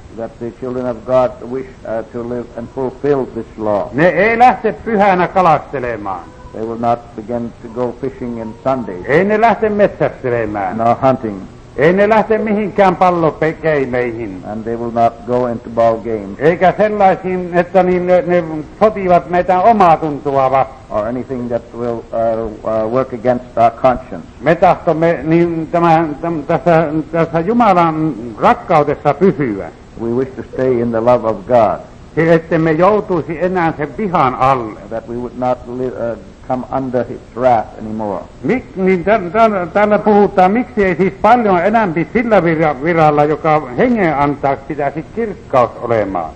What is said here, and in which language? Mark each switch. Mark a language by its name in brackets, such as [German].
[English] That the children of God wish to live and fulfill this law. [Finnish] Ne ei lähde pyhänä kalastelemaan. [English] They will not begin to go fishing in Sundays. [Finnish] Ei ne lähde metsästelemään. [English] No hunting. [Finnish] Ei ne lähde mihinkään pallokeimeihin. [English] And they will not go into ball games. [Finnish] Eikä sellaisiin, että niin ne sotivat meitä omaa tuntua vastaan. [English] Or anything that will work against our conscience. [Finnish] Me tahtomme niin tässä Jumalan rakkaudessa pysyä. [English] We wish to stay in the love of God. [Finnish] Että me joutuisi enää sen vihan alle. [English] That we would not come under his wrath anymore. [Finnish] Täällä puhutaan, miksi ei siis paljon enämpi sillä viralla, joka hengen antaa, pitäisi kirkkaus olemaan.